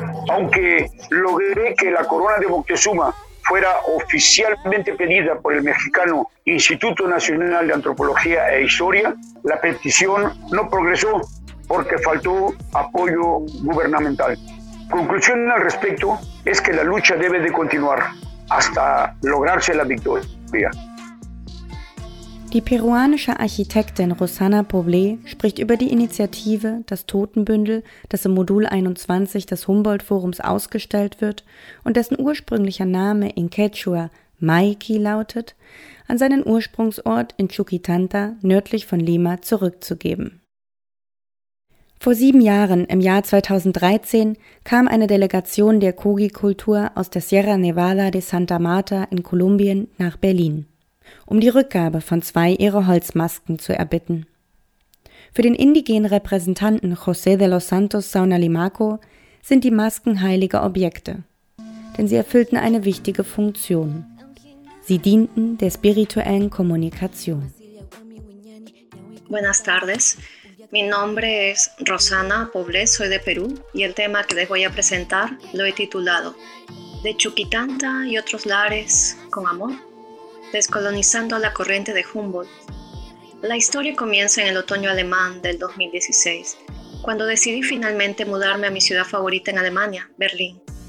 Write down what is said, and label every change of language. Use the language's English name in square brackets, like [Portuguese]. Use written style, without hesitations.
[Spanish] Aunque logré que la corona de Moctezuma fuera oficialmente pedida por el mexicano Instituto Nacional de Antropología e Historia, la petición no progresó porque faltó apoyo gubernamental. Conclusión al respecto es que la lucha debe de continuar hasta lograrse la victoria. [German] Die peruanische Architektin Rosana Poblé spricht über die Initiative, das Totenbündel, das im Modul 21 des Humboldt-Forums ausgestellt wird und dessen ursprünglicher Name in Quechua Maiki lautet, an seinen Ursprungsort in Chuquitanta nördlich von Lima zurückzugeben. Vor 7 Jahren, im Jahr 2013, kam eine Delegation der Kogi-Kultur aus der Sierra Nevada de Santa Marta in Kolumbien nach Berlin, um die Rückgabe von 2 ihrer Holzmasken zu erbitten. Für den indigenen Repräsentanten José de los Santos Saunalimaco sind die Masken heilige Objekte, denn sie erfüllten eine wichtige Funktion. Sie dienten der spirituellen Kommunikation. [Spanish] Buenas tardes. Mi nombre es Rosana Poblé, soy de Perú y el tema que les voy a presentar lo he titulado De Chuquitanta y otros lares con amor, descolonizando la corriente de Humboldt. La historia comienza en el otoño alemán del 2016, cuando decidí finalmente mudarme a mi ciudad favorita en Alemania, Berlín.